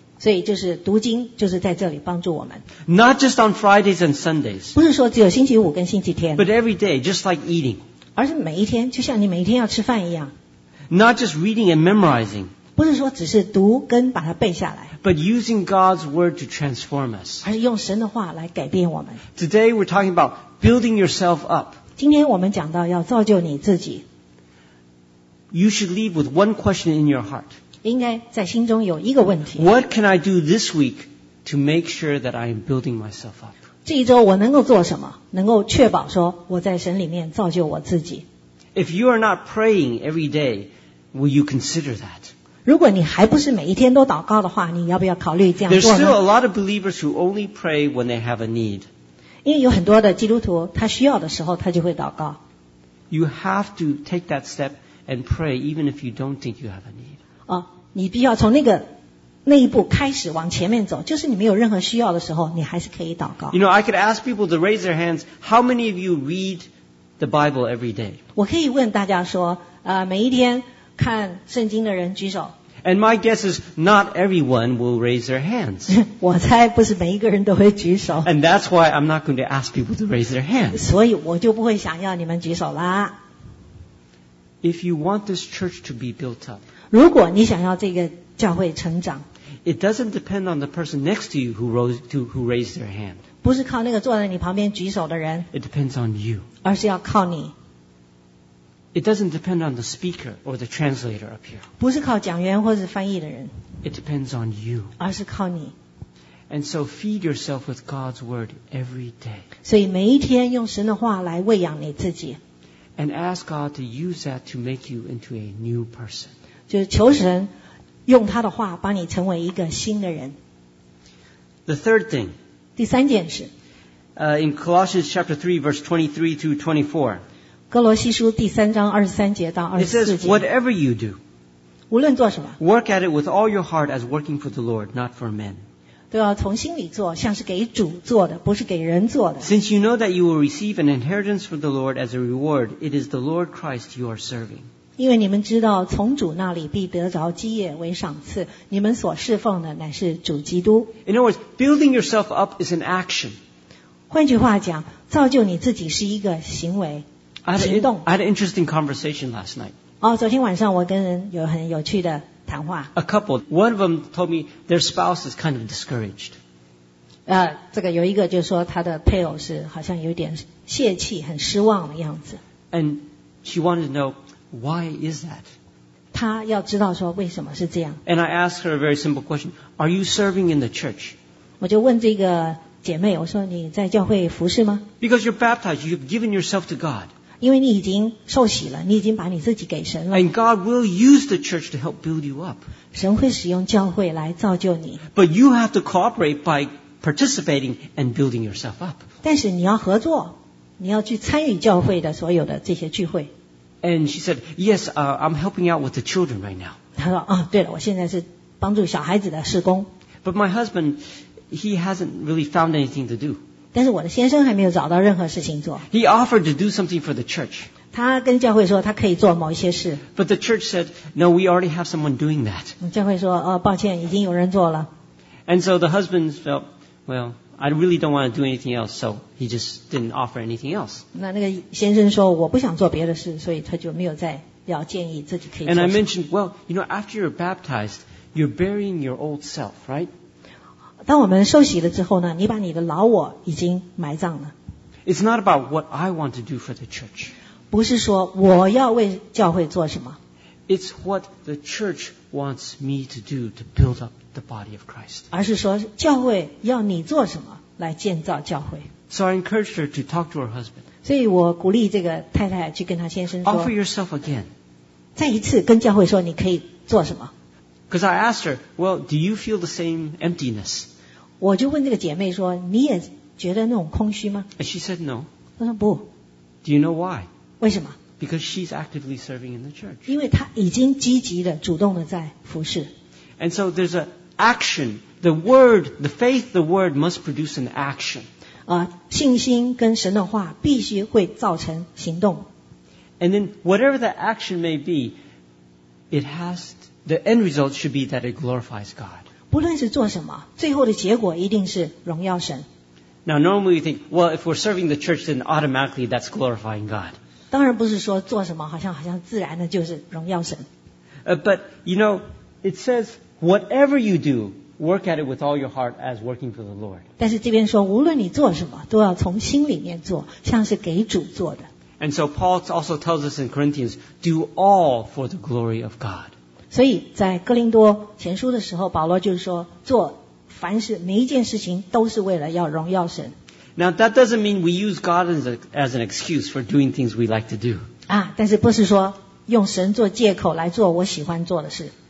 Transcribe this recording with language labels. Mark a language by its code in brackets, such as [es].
[zh] 所以就是读经，就是在这里帮助我们。 [en] Not just on Fridays and Sundays. [zh] 不是说只有星期五跟星期天。 [en] But every day, just like eating. [zh] 而是每一天，就像你每一天要吃饭一样。 [en] Not just reading and memorizing. [zh] 不是说只是读跟把它背下来。 [en] But using God's word to transform us. [zh] 而是用神的话来改变我们。 [en] Today we're talking about building yourself up. [zh] 今天我们讲到要造就你自己。 [en] You should leave with one question in your heart. [zh] 应该在心中有一个问题。 [en] What can I do this week to make sure that I am building myself up? [zh] 这一周我能够做什么，能够确保说我在神里面造就我自己。 [en] If you are not praying every day, will you consider that? [zh] 如果你还不是每一天都祷告的话，你要不要考虑这样做呢？ [en] There's still a lot of believers who only pray when they have a need. [zh] 因为有很多的基督徒，他需要的时候他就会祷告。 [en] You have to take that step and pray even if you don't think you have a need. [zh] 你必须要从那一步开始往前面走，就是你没有任何需要的时候，你还是可以祷告。 [en] You know, I could ask people to raise their hands. How many of you read the Bible every day? [zh] 我可以问大家说，每一天看圣经的人举手。 [en] And my guess is not everyone will raise their hands. [zh] 我猜不是每一个人都会举手。 [en] And that's why I'm not going to ask people to raise their hands. [zh] 所以我就不会想要你们举手啦。 [en] If you want this church to be built up. [zh] 如果你想要这个教会成长， [en] it doesn't depend on the person next to you who rose to who raised their hand. [zh] 不是靠那个坐在你旁边举手的人。 [en] It depends on you. [zh] 而是要靠你。 [en] It doesn't depend on the speaker or the translator up here. [zh] 不是靠讲员或是翻译的人。 [en] It depends on you. [zh] 而是靠你。 [en] And so feed yourself with God's word every day. [zh] 所以每一天用神的话来喂养你自己。 [en] And ask God to use that to make you into a new person. [zh] 就是求神用他的话把你成为一个新的人。 [en] The third thing. [zh] 第三件事。 [en] In Colossians chapter 3 verse 23 to 24. [zh] 哥罗西书第三章二十三节到二十四节。 [en] It says, whatever you do, [zh] 无论做什么, [en] work at it with all your heart as working for the Lord, not for men. [zh] 都要从心里做，像是给主做的，不是给人做的。 [en] Since you know that you will receive an inheritance from the Lord as a reward, it is the Lord Christ you are serving. [zh] 因为你们知道，从主那里必得着基业为赏赐，你们所侍奉的乃是主基督。 [en] In other words, building yourself up is an action. [zh] 换句话讲，造就你自己是一个行为，行动。 [en] I had an interesting conversation last night. [zh] 哦，昨天晚上我跟人有很有趣的。 [en] A couple, one of them told me their spouse is kind of discouraged. [zh] 这个有一个就是说他的配偶是好像有点泄气，很失望的样子。 [en] And she wanted to know, why is that? [zh] 她要知道说为什么是这样。 [en] And I asked her a very simple question, are you serving in the church? [zh] 我就问这个姐妹，我说你在教会服侍吗？ [en] Because you're baptized, you've given yourself to God. [zh] 因为你已经受洗了，你已经把你自己给神了。 [en] And God will use the church to help build you up. [zh] 神会使用教会来造就你。 [en] But you have to cooperate by participating and building yourself up. [zh] 但是你要合作，你要去参与教会的所有的这些聚会。 [en] And she said, "Yes, I'm helping out with the children right now." [zh] 她说，哦，对了，我现在是帮助小孩子的事工。 [en] But my husband, he hasn't really found anything to do. [zh] 但是我的先生还没有找到任何事情做。 [en] He offered to do something for the church. [zh] 他跟教会说他可以做某一些事。 [en] But the church said, no, we already have someone doing that. [zh] 教会说，哦，抱歉，已经有人做了。 [en] And so the husband felt, well, I really don't want to do anything else, so he just didn't offer anything else. [zh] 那个先生说我不想做别的事，所以他就没有再要建议自己可以做什么。 [en] And I mentioned, well, you know, after you're baptized, you're burying your old self, right? [zh] 当我们受洗了之后呢，你把你的老我已经埋葬了。 [en] It's not about what I want to do for the church. [zh] 不是说我要为教会做什么。 [en] It's what the church wants me to do to build up the body of Christ. [zh] 而是说教会要你做什么来建造教会。 [en] So I encouraged her to talk to her husband. [zh] 所以我鼓励这个太太去跟她先生说。 [en] Offer yourself again. [zh] 再一次跟教会说你可以做什么。 [en] Because I asked her, well, do you feel the same emptiness? [zh] 我就问这个姐妹说，你也觉得那种空虚吗？ [en] And she said no. [zh] 她说不。 [en] Do you know why? [zh] 为什么？ [en] Because she's actively serving in the church. [zh] 因为她已经积极的、主动的在服侍。 [en] And so there's an action. The word, the faith, the word must produce an action. [zh] 信心跟神的话必须会造成行动。 [en] And then whatever the action may be, it has to. The end result should be that it glorifies God. [zh] 不论是做什么，最后的结果一定是荣耀神。 [en] Now normally we think, well, if we're serving the church, then automatically that's glorifying God. [zh] 当然不是说做什么好像自然的就是荣耀神。 [en] But, you know, it says, whatever you do, work at it with all your heart as working for the Lord. [zh] 但是这边说，无论你做什么，都要从心里面做，像是给主做的。 [en] And so Paul also tells us in Corinthians, do all for the glory of God. [zh] 所以在哥林多前书的时候，保罗就是说，做凡事每一件事情都是为了要荣耀神。 [en] Now that doesn't mean we use God as an excuse for doing things we like to do. [zh] 啊，但是不是说用神做借口来做我喜欢做的事